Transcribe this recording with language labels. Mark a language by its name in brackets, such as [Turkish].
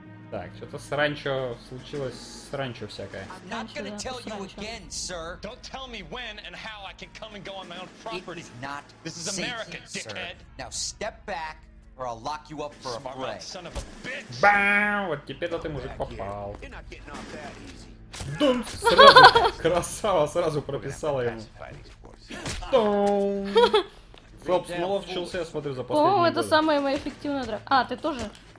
[Russian] Так, что-то сранчо случилось, сранчо всякое. [English] I'm not gonna tell you again, sir. Don't tell me when and how I can come and go on my own property. It's not safe, this is America, sir. Dickhead. Now step back, or I'll lock you up for a play. Son of a bitch. Бам! [Russian] Вот теперь-то ты, мужик, попал. Дун! Сразу, красава, сразу прописала ему. Тум! Роб снова вчился, я смотрю, за последние годы. О, это самая моя эффективная драка. А, ты тоже?